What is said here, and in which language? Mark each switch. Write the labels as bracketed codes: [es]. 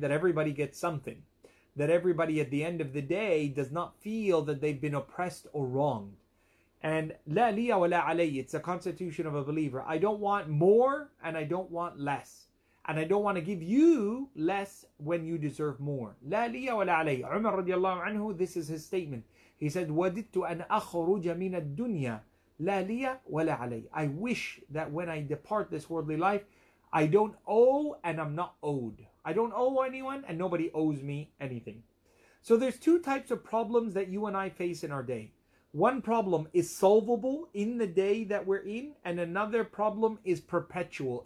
[en] That everybody gets something. That everybody at the end of the day does not feel that they've been oppressed or wronged. And [ar] la liya wa la alayhi, [en] it's a constitution of a believer. I don't want more and I don't want less. And I don't want to give you less when you deserve more. [ar] La liya wa la alayhi. [en] Umar radiallahu anhu, this is his statement. [ar] He said, وَدِدْتُ أَنْ أَخْرُجَ مِنَ الدُّنْيَا لَا لِيَ وَلَا عَلَيْهِ. [en] I wish that when I depart this worldly life, I don't owe and I'm not owed. I don't owe anyone and nobody owes me anything. So there's two types of problems that you and I face in our day. One problem is solvable in the day that we're in, and another problem is perpetual.